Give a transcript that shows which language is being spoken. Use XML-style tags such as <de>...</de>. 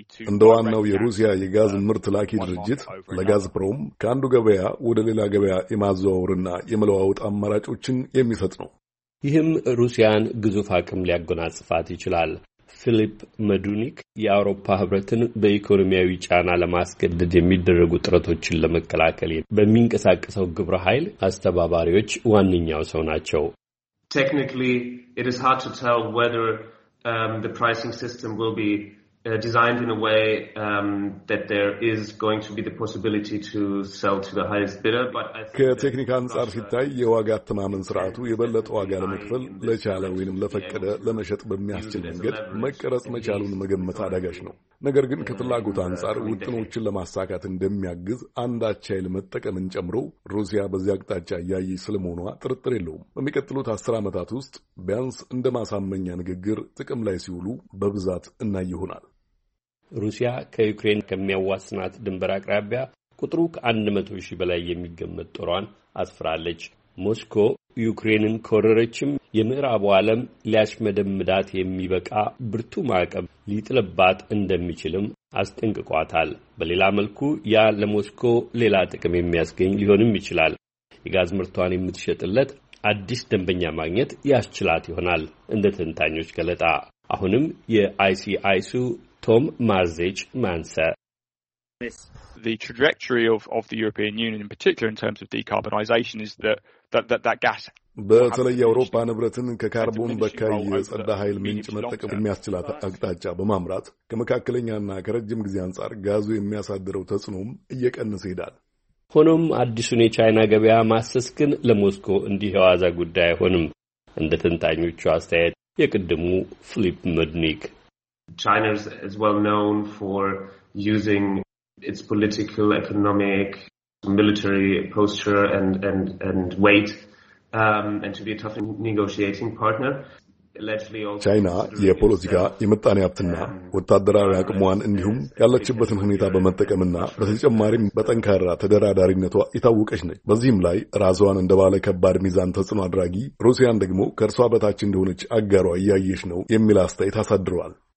<am>እንደ ዋናው የሩሲያ የጋዝ ምርት ላኪ ድርጅት ለጋዝፕሮም ከአንዱ ገበያ ወደ ሌላ ገበያ የማዘዋወርና የመለዋወጥ አማራጮችን የሚፈጥ ነው። ይህም ሩሲያን ግዙፍ አቅም ሊያጎናጽፋት ይችላል። ፊሊፕ መዱኒክ የአውሮፓ ህብረትን በኢኮኖሚያዊ ጫና ለማስገደድ የሚደረጉ ጥረቶችን ለመከላከል በሚንቀሳቀሰው ግብረ ኃይል አስተባባሪዎች ዋነኛው ሰው ናቸው።</am> <en>Technically, it is hard to tell whether the pricing system will be designed in a way that there is going to be the possibility to sell to the highest bidder, but I think technical answer</en> <am>ሲታይ የዋጋ ተማመን ስርዓቱ የበለጠ ዋጋ ለመክፈል ለቻለ ወይንም ለፈቀደ ለመሸጥ በሚያስችል መንገድ መቀረጽ መቻሉን መገመት አዳጋች ነው። ነገር ግን ከፍላጎት አንጻር ውጥኖችን ለማሳካት እንደሚያግዝ አንዳች ኃይል መጠቀምን ጨምሮ ሩሲያ በዚህ አቅጣጫ ያያይ ስለመሆኗ ጥርጥር የለውም። በሚቀጥሉት 10 ዓመታት ውስጥ ቢያንስ እንደ ማሳመኛ ንግግር ጥቅም ላይ ሲውሉ በብዛት እናይሆናል። ሩሲያ ከዩክሬን ከሚያዋስናት ድንበር አቅራቢያ ቁጥሩ ከ100,000 በላይ የሚገመት ጦሯን አስፍራለች። ሞስኮ ዩክሬንን ኮረረችም የምዕራቡ ዓለም ሊያሽመደምዳት የሚበቃ ብርቱ ማዕቀብ ሊጥልባት እንደሚችልም አስጠንቅቋታል። በሌላ መልኩ ያ ለሞስኮ ሌላ ጥቅም የሚያስገኝ ሊሆንም ይችላል። የጋዝ ምርቷን የምትሸጥለት አዲስ ደንበኛ ማግኘት ያስችላት ይሆናል። እንደ ተንታኞች ገለጣ አሁንም የICIሱ ቶም ማርዜች ማንሰ</am> <en>the trajectory of the European Union in particular in terms of decarbonization is that gas</en> <am>በተለይ አውሮፓ ህብረትን ከካርቦን በካይ የጸዳ ኃይል ምንጭ መጠቀም የሚያስችላት አቅጣጫ በማምራት ከመካከለኛና ከረጅም ጊዜ አንጻር ጋዙ የሚያሳድረው ተጽዕኖም እየቀነሰ ይሄዳል። ሆኖም አዲሱን የቻይና ገበያ ማሰስ ግን ለሞስኮ እንዲህ የዋዛ ጉዳይ አይሆንም። እንደ ተንታኞቹ አስተያየት የቅድሙ ፊሊፕ መድኒክ</am> <en>China is well known for using its political, economic, military posture and weight and to be a tough negotiating partner.</en> <am>ቻይና የፖለቲካ የመጣኔ ሀብትና ወታደራዊ አቅሟን እንዲሁም ያለችበትን ሁኔታ በመጠቀምና በተጨማሪም በጠንካራ ተደራዳሪነቷ የታወቀች ነች። በዚህም ላይ ራስዋን እንደ ባለ ከባድ ሚዛን ተጽዕኖ አድራጊ፣ ሩሲያን ደግሞ ከእርሷ በታች እንደሆነች አጋሯ እያየች ነው የሚል አስተያየት አሳድረዋል።</am>